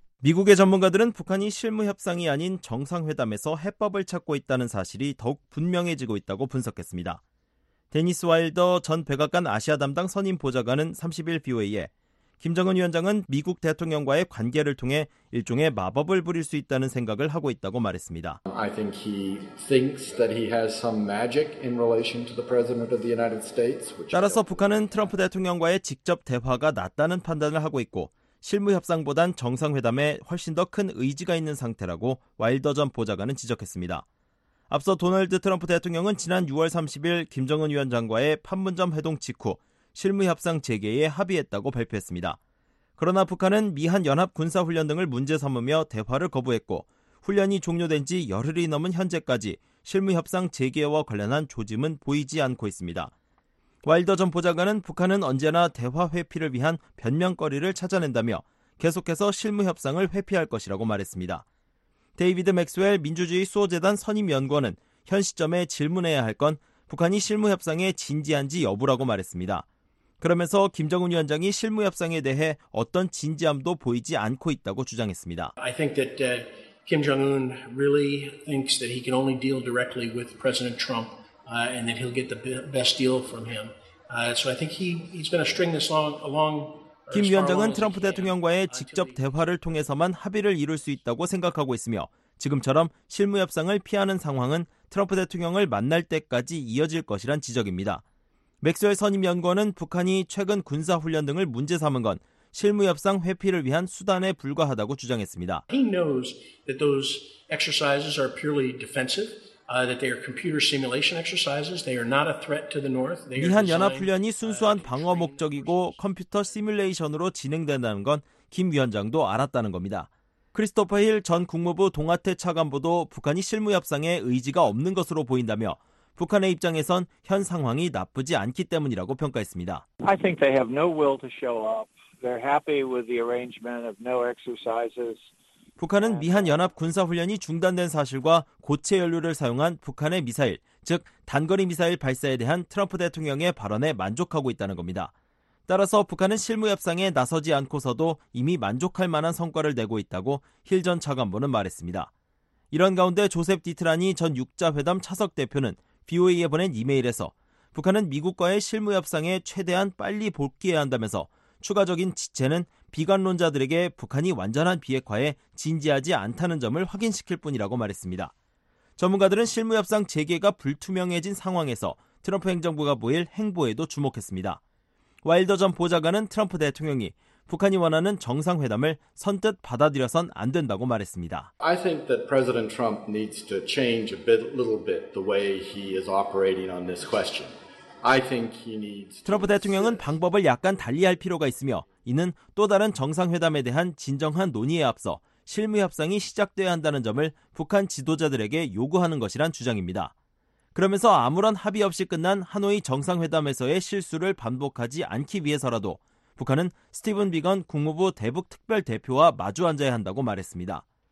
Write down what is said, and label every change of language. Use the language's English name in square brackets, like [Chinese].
[Korean] 미국의 전문가들은 북한이 실무협상이 아닌 정상회담에서 해법을 찾고 있다는 사실이 더욱 분명해지고 있다고 분석했습니다. 데니스 와일더 전 백악관 아시아 담당 선임 보좌관은 30일 VOA에 김정은 위원장은 미국 대통령과의 관계를 통해 일종의 마법을 부릴 수 있다는 생각을 하고 있다고 말했습니다. [English] I think he thinks that he has some magic in relation to the president of the United States. [Korean] 따라서 북한은 트럼프 대통령과의 직접 대화가 낫다는 판단을 하고 있고 실무 협상보단 정상회담에 훨씬 더 큰 의지가 있는 상태라고 와일더 전 보좌관은 지적했습니다. 앞서 도널드 트럼프 대통령은 지난 6월 30일 김정은 위원장과의 판문점 회동 직후 실무협상 재개에 합의했다고 발표했습니다. 그러나 북한은 미한연합군사훈련 등을 문제 삼으며 대화를 거부했고 훈련이 종료된 지 열흘이 넘은 현재까지 실무협상 재개와 관련한 조짐은 보이지 않고 있습니다. 와일더 전 보좌관은 북한은 언제나 대화 회피를 위한 변명거리를 찾아낸다며 계속해서 실무협상을 회피할 것이라고 말했습니다. 데이비드 맥스웰 민주주의 수호재단 선임연구원은 현 시점에 질문해야 할 건 북한이 실무협상에 진지한지 여부라고 말했습니다. 그러면서 김정은 위원장이 실무협상에 대해 어떤 진지함도 보이지 않고 있다고 주장했습니다. [English] I think that Kim Jong-un really thinks that he can only deal directly with President Trump and that he'll get the best deal from him. So I think he's going to string this along. [Korean] 김 위원장은 트럼프 대통령과의 직접 대화를 통해서만 합의를 이룰 수 있다고 생각하고 있으며 지금처럼 실무협상을 피하는 상황은 트럼프 대통령을 만날 때까지 이어질 것이란 지적입니다. 맥스웰 선임연구원은 북한이 최근 군사훈련 등을 문제 삼은 건 실무협상 회피를 위한 수단에 불과하다고 주장했습니다. [English] He knows that those exercises are purely defensive, that they are computer simulation exercises. They are not a threat to the North. [Korean] 미한 연합훈련이 순수한 방어 목적이고 컴퓨터 시뮬레이션으로 진행된다는 건 김 위원장도 알았다는 겁니다. 크리스토퍼 힐 전 국무부 동아태 차관보도 북한이 실무협상에 의지가 없는 것으로 보인다며 북한의 입장에선 현 상황이 나쁘지 않기 때문이라고 평가했습니다. [English] I think they have no will to show up. They're happy with the arrangement of no exercises. [Korean] 북한은 미한 연합 군사 훈련이 중단된 사실과 고체 연료를 사용한 북한의 미사일, 즉 단거리 미사일 발사에 대한 트럼프 대통령의 발언에 만족하고 있다는 겁니다. 따라서 북한은 실무협상에 나서지 않고서도 이미 만족할 만한 성과를 내고 있다고 힐 전 차관보는 말했습니다. 이런 가운데 조셉 디트라니 전 6자회담 차석 대표는 VOA에 보낸 이메일에서 북한은 미국과의 실무협상에 최대한 빨리 복귀해야 한다면서 추가적인 지체는 비관론자들에게 북한이 완전한 비핵화에 진지하지 않다는 점을 확인시킬 뿐이라고 말했습니다. 전문가들은 실무협상 재개가 불투명해진 상황에서 트럼프 행정부가 보일 행보에도 주목했습니다. 와일더 전 보좌관은 트럼프 대통령이 북한이 원하는 정상회담을 선뜻 받아들여선 안 된다고 말했습니다. [English] I think that President Trump needs to change a bit, little bit the way he is operating on this question. I think he needs [Korean] 트럼프 대통령은 방법을 약간 달리할 필요가 있으며 이는 또 다른 정상회담에 대한 진정한 논의에 앞서 실무협상이 시작돼야 한다는 점을 북한 지도자들에게 요구하는 것이란 주장입니다. 그러면서 아무런 합의 없이 끝난 하노이 정상회담에서의 실수를 반복하지 않기 위해서라도 북한은 스티븐 비건 국무부 대북특별대표와 마주 앉아야 한다고 말했습니다.